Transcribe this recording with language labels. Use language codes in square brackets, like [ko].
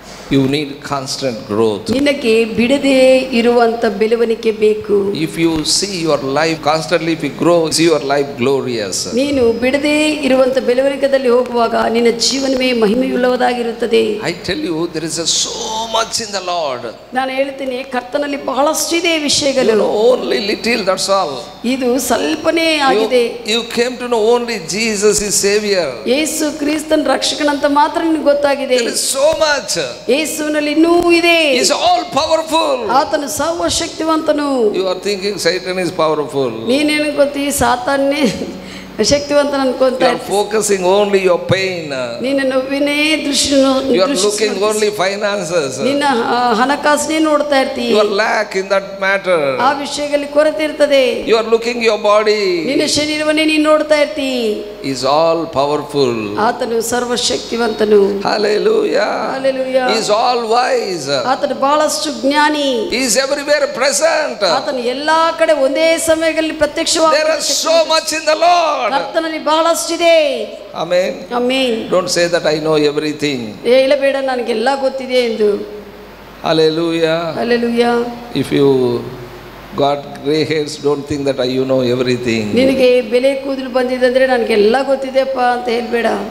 [en] You need constant growth. [kn] ನಿನಗೆ ಬಿಡದೆ ಇರುವಂತ ಬೆಳವಣಿಗೆ ಬೇಕು. [en] If you see your life constantly, if you grow, see your life glorious. [kn] ನೀನು ಬಿಡದೆ ಇರುವಂತ ಬೆಳವಣಿಗೆಯಲ್ಲಿ ಹೋಗುವಾಗ ನಿನ್ನ ಜೀವನವೇ ಮಹಿಮೆಯುಳ್ಳವದಾಗಿರುತ್ತದೆ. [en] I tell you, there is so much in the Lord. [kn] ನಾನು ಹೇಳ್ತೀನಿ ಕರ್ತನಲ್ಲಿ ಬಹಳಷ್ಟು ಇದೆ ವಿಷಯಗಳು. [en] Only little, that's all. [kn] ಇದು ಸ್ವಲ್ಪನೇ ಆಗಿದೆ. [en] You came to know only Jesus is savior. [kn] ಯೇಸು ಕ್ರಿಸ್ತನ ರಕ್ಷಕನಂತ ಮಾತ್ರ ನಿನಗೆ ಗೊತ್ತಾಗಿದೆ. [en] There is so much. [kn] ಯೇಸುನಲ್ಲಿ ನು ಇದೆ. [en] Is all powerful. [kn] ಆತನು ಸರ್ವಶಕ್ತಿವಂತನು. [en] You are thinking Satan is powerful. [kn] ನೀನು ಏನು ಗೊತ್ತೀ ಸಾತಾನ್ನೇ ಶಕ್ತಿವಂತನ ಅನ್ಕೊಂತಾ. [en] You are focusing only your pain. [kn] ನಿನ್ನ ನೋವಿನೇ ದೃಶ್ಯ. [en] You are looking only finances. [kn] ನಿನ್ನ ಹಣಕಾಸನ್ನೇ ನೋಡ್ತಾ ಇರ್ತೀಯ. [en] You are lack in that matter. [kn] ಆ ವಿಷಯದಲ್ಲಿ ಕೊರತೆ ಇರ್ತದೆ. [en] You are looking your body. [kn] ನಿನ್ನ ಶರೀರವನ್ನೇ ನೀನು ನೋಡ್ತಾ ಇರ್ತೀಯ. [en] Is all powerful. [kn] ಆತನು ಸರ್ವಶಕ್ತಿವಂತನು. [en] Hallelujah, hallelujah. Is all wise. [kn] ಆತನು ಬಹಳಷ್ಟು ಜ್ಞಾನಿ. [en] Is everywhere present. [kn] ಆತನು ಎಲ್ಲಾ ಕಡೆ ಒಂದೇ ಸಮಯದಲ್ಲಿ ಪ್ರತ್ಯಕ್ಷವಾಗಿ. [en] There is so much in the Lord. [kn] ಕರ್ತನಲ್ಲಿ ಬಹಳಷ್ಟು ಇದೆ. [en] Amen, amen. Don't say that I know everything. [kn] ಹೇಳಬೇಡ ನನಗೆ ಎಲ್ಲಾ ಗೊತ್ತಿದೆ ಎಂದು. [en] Hallelujah, hallelujah. If you got gray hairs, don't think that you know everything. [kn] ನಿನಗೆ ಬೆಲೆ ಕೂದಲು ಬಂದಿದಂದ್ರೆ ನನಗೆ ಎಲ್ಲ ಗೊತ್ತಿದೆಪ್ಪ ಅಂತ ಹೇಳಬೇಡ.